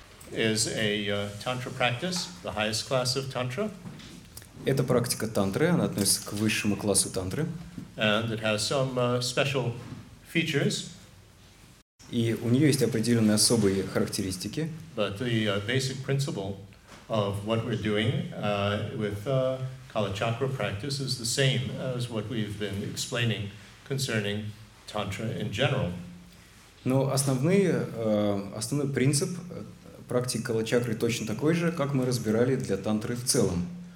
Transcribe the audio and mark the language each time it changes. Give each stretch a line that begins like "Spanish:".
English: It is a Tantra practice, the highest class of Tantra.
Russian: Это практика тантры, она относится к высшему классу тантры.
English: And it has some special features.
Russian: И у нее есть определенные особые характеристики.
English: But the basic principle of what we're doing with Kala Chakra practice is the same as what we've been explaining concerning Tantra in general.
Russian: Но основной принцип практики Kala Chakra точно такой же, как мы разбирали для тантры в целом.